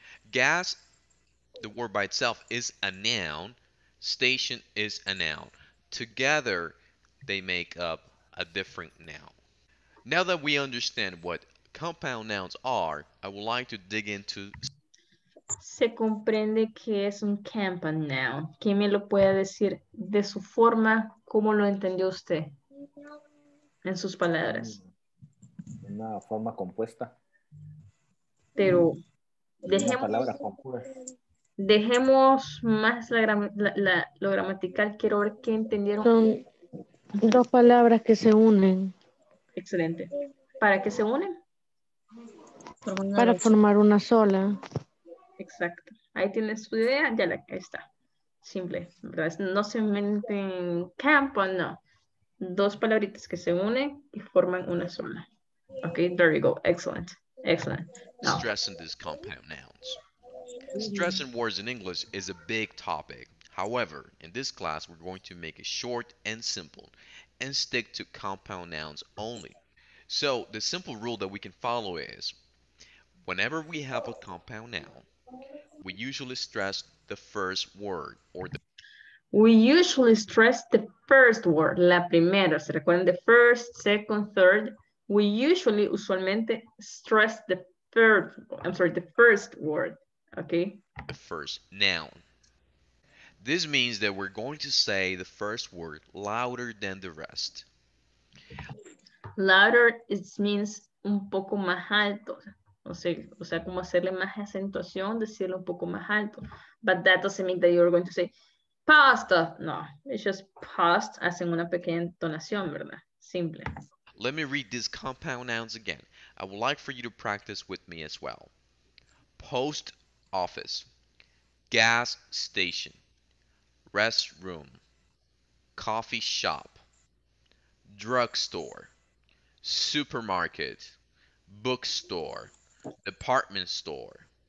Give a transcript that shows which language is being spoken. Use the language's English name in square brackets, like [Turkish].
[English] Gas, the word by itself, is a noun. Station is a noun. Together, they make up a different noun. Now that we understand what compound nouns are, I would like to dig into... [Spanish] Se comprende que es un compound noun. ¿Quién me lo puede decir de su forma? ¿Cómo lo entendió usted? En sus palabras. Una forma compuesta. Pero dejemos. Una palabra compuesta. Dejemos más lo gramatical. Quiero ver qué entendieron. Son dos palabras que se unen. Excelente. ¿Para qué se unen? Para formar una sola. Exacto. Ahí tienes tu idea. Ya la, ahí está. Simple. ¿Verdad? No se meten campo, no. Dos palabritas que se unen y forman una sola. [English] Ok, there you go. Excellent. Excellent. No. Stress in these compound nouns. Stress and words in English is a big topic. However, in this class, we're going to make it short and simple and stick to compound nouns only. So the simple rule that we can follow is whenever we have a compound noun, we usually stress the first word or the... We usually stress the first word, [Spanish] la primera. Se recuerdan [English] the first, second, third. We usually, usualmente, stress the third, I'm sorry, the first word. Okay. The first noun. This means that we're going to say the first word louder than the rest. Louder, it means [Spanish] un poco más alto. O sea, como hacerle más acentuación, decirlo un poco más alto. [English] But that doesn't mean that you're going to say pasta. [Spanish] No, [English] it's just past, [Spanish] hacen una pequeña entonación, ¿verdad? Simple. [English] Let me read these compound nouns again. I would like for you to practice with me as well. Post office, gas station, restroom, coffee shop, drugstore, supermarket, bookstore, department store.